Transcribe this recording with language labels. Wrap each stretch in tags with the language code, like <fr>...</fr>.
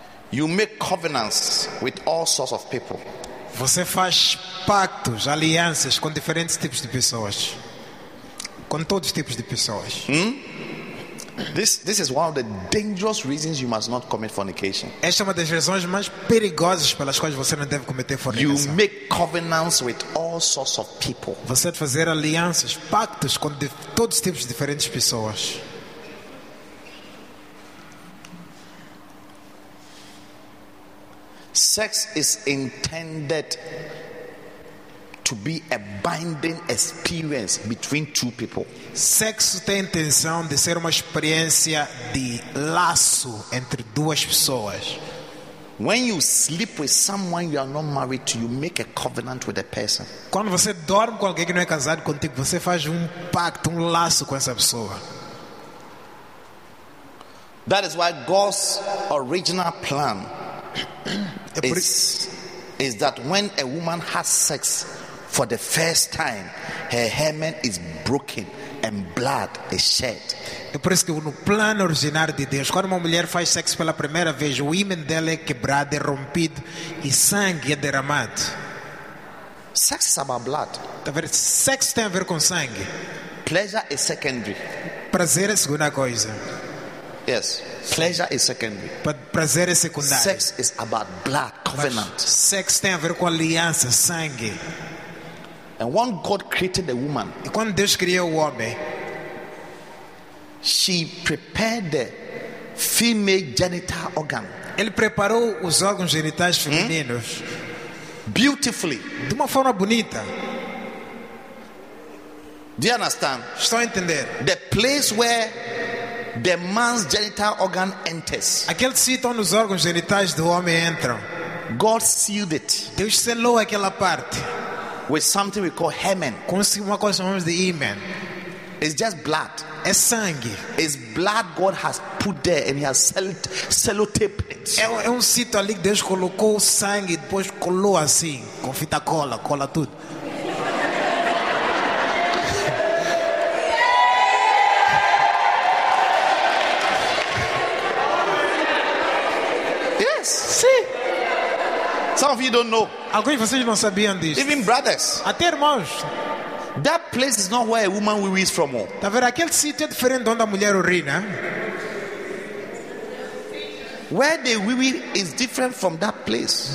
<en>You make covenants with all sorts of people.</en> <pt>Você faz pactos, alianças com diferentes tipos de pessoas. Com todos os tipos de pessoas.</pt> <en>This is one of the dangerous reasons you must not commit fornication.</en> <pt>Esta é uma das razões mais perigosas pelas quais você não deve cometer fornicação.</pt> <en>You make covenants with all sorts of people.</en> <pt>Você deve fazer alianças, pactos com todos os tipos de diferentes pessoas.</pt> <en>Sex is intended to be a binding experience between two people.</en> <pt>Sexo tem a intenção de ser uma experiência de laço entre duas pessoas.</pt> <en>When you sleep with someone you are not married to, you make a covenant with a person.</en> <pt>Quando você dorme com alguém que não é casado contigo, você faz um pacto, um laço com essa pessoa.</pt> <en>That is why God's original plan is that when a woman has sex for the first time, her hymen is broken and blood is shed.</en> <pt>É por isso que no plano original de Deus, quando uma mulher faz sexo pela primeira vez, o hymen dela é quebrado, é rompido e sangue é derramado.</pt> <en>Sex is about blood.</en> <pt>Sexo tem a ver com sangue.</pt> <en>Pleasure is secondary.</en> <pt>Prazer é segunda coisa.</pt> <en>Yes. Pleasure is secondary.</en> <pt>But prazer é secundário.</pt> <en>Sex is about blood covenant.</en> <pt>Sex tem a ver com aliança, sangue.</pt> <en>And when God created a woman,</en> <pt>e quando Deus criou o homem,</pt> <en>she prepared the female genital organ.</en> <pt>Ele preparou os órgãos genitais femininos</pt> <en>beautifully.</en> <pt>De uma forma bonita.</pt> <en>Do you understand?</en> <pt>Estou a entender.</pt> <en>The place where the man's genital organ enters.</en> <pt>Aquele sítio onde os órgãos genitais do homem entram.</pt> <en>God sealed it.</en> <pt>Deus selou aquela parte.</pt> <en>With something we call hymen.</en> <pt>Com uma coisa chamamos de hymen.</pt> <en>It's just blood.</en> <pt>É sangue.</pt> <en>It's blood God has put there and He has sellotaped it.</en> <pt>É um sítio ali que Deus colocou o sangue e depois colou assim, com fita cola, cola tudo.</pt> <en>Yeah! Some of you don't know.</en> <pt>Alguns de vocês não sabiam disso.</pt> <en>Even brothers.</en> <pt>Até irmãos.</pt> <en>That place is not where a woman will is from.</en> <pt>Tá vendo aquele sítio diferente onde a mulher urina?</pt> <en>Where the wee wee is different from that place.</en>